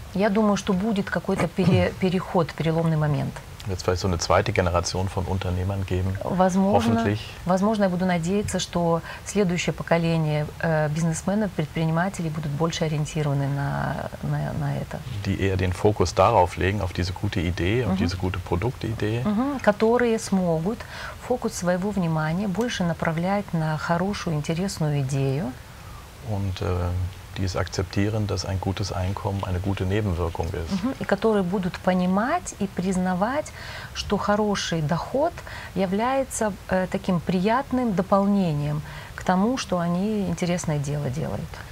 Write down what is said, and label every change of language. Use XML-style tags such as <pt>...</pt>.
<ru>Я думаю, что будет какой-то переход, переломный момент.</ru> <de>So eine zweite Generation von Unternehmern geben.</de> <ru>Возможно, я буду надеяться, что следующее поколение бизнесменов, предпринимателей будут больше ориентированы на это.</ru> <de>Die eher den Fokus darauf legen, auf diese gute Idee, auf diese gute Produktidee.</de> <ru>Которые смогут фокус своего внимания больше направлять на хорошую, интересную идею.</ru> <de>Und die es akzeptieren, dass ein gutes Einkommen eine gute Nebenwirkung ist.</de> <ru>И которые будут понимать и признавать, что хороший доход является таким приятным дополнением к тому, что они интересное дело делают.</ru>